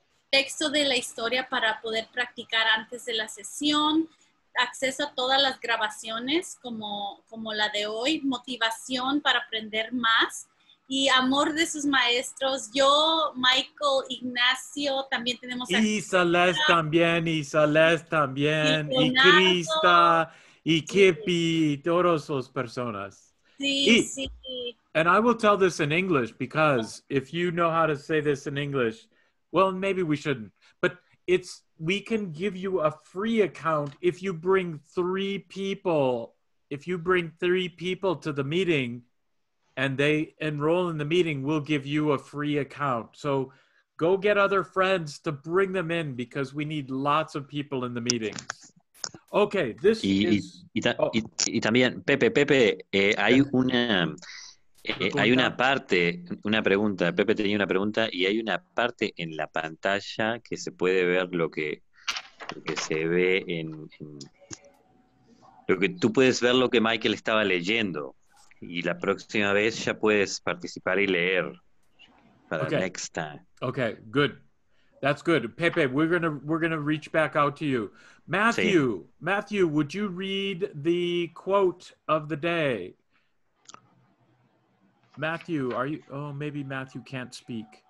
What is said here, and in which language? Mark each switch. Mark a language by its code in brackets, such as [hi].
[es] Texto de la historia para poder practicar antes de la sesión, acceso a todas las grabaciones como la de hoy, motivación para aprender más y amor de sus maestros. Yo, Michael, Ignacio, también tenemos aquí. Y Celeste también, y Krista, y Kippy, y todas sus personas. Sí. [en] And I will tell this in English, because if you know how to say this in English, well, maybe we shouldn't, but we can give you a free account if you bring 3 people, if you bring 3 people to the meeting and they enroll in the meeting, we'll give you a free account. So go get other friends to bring them in, because we need lots of people in the meetings. Okay, this [es] y, [en] is... [es] Y también, Pepe, hay una... hay una parte, una pregunta. Pepe tenía una pregunta y hay una parte en la pantalla que se puede ver lo que se ve en lo que tú puedes ver, lo que Michael estaba leyendo, y la próxima vez ya puedes participar y leer para [en] next time. Okay, good. That's good. Pepe, we're gonna reach back out to you. Matthew, would you read the quote of the day? Matthew, are you? Oh, maybe Matthew can't speak.